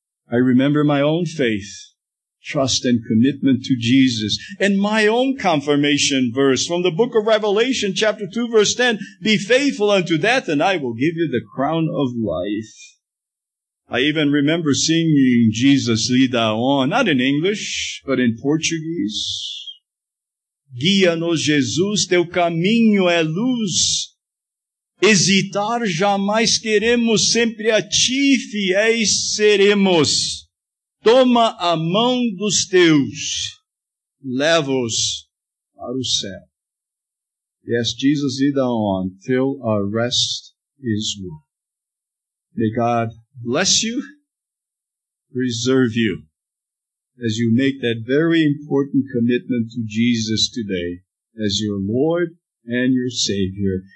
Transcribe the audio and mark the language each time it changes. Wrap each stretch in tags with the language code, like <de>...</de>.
<en>I remember my own faith, trust, and commitment to Jesus, and my own confirmation verse from the book of Revelation, chapter 2, verse 10. Be faithful unto death, and I will give you the crown of life. I even remember singing Jesus, lead thou on, not in English, but in Portuguese.</en> <pt>Guia-nos, Jesus, teu caminho é luz. Hesitar jamais queremos, sempre a ti fiéis seremos. Toma a mão dos teus, leva-os para o céu.</pt> <en>Yes, Jesus, lead thou on, till our rest is won. May God bless you, preserve you, as you make that very important commitment to Jesus today, as your Lord and your Savior.</en>